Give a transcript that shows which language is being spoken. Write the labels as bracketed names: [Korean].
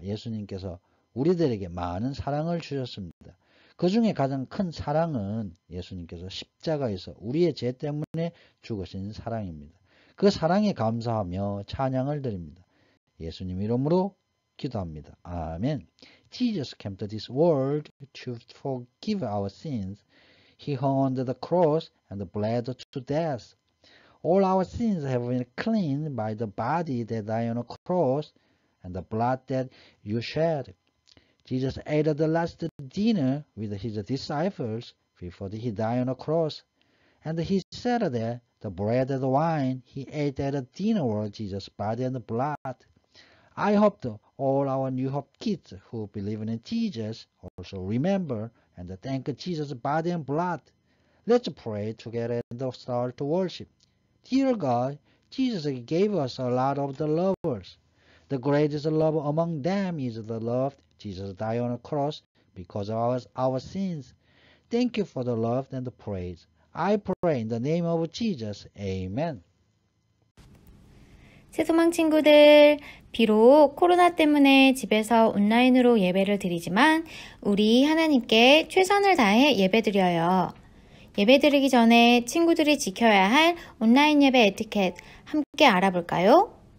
[Korean] 예수님께서 우리들에게 많은 사랑을 주셨습니다. 그 중에 가장 큰 사랑은 예수님께서 십자가에서 우리의 죄 때문에 죽으신 사랑입니다. 그 사랑에 감사하며 찬양을 드립니다. 예수님 이름으로 기도합니다. 아멘. [English] Jesus came to this world to forgive our sins. He hung on the cross and bled to death. All our sins have been cleaned by the body that died on the cross and the blood that you shed. Jesus ate the last dinner with his disciples before he died on the cross. And he said that the bread and the wine he ate at the dinner were Jesus' body and blood. I hope all our New Hope kids who believe in Jesus also remember and thank Jesus' body and blood. Let's pray together and start to worship. Dear God, Jesus gave us a lot of the lovers. The greatest love among them is the love Jesus died on a cross because of our sins. Thank you for the love and the praise. I pray in the name of Jesus. Amen. [Korean] 새소망 친구들, 비록 코로나 때문에 집에서 온라인으로 예배를 드리지만 우리 하나님께 최선을 다해 예배드려요. 예배드리기 전에 친구들이 지켜야 할 온라인 예배 에티켓 함께 알아볼까요?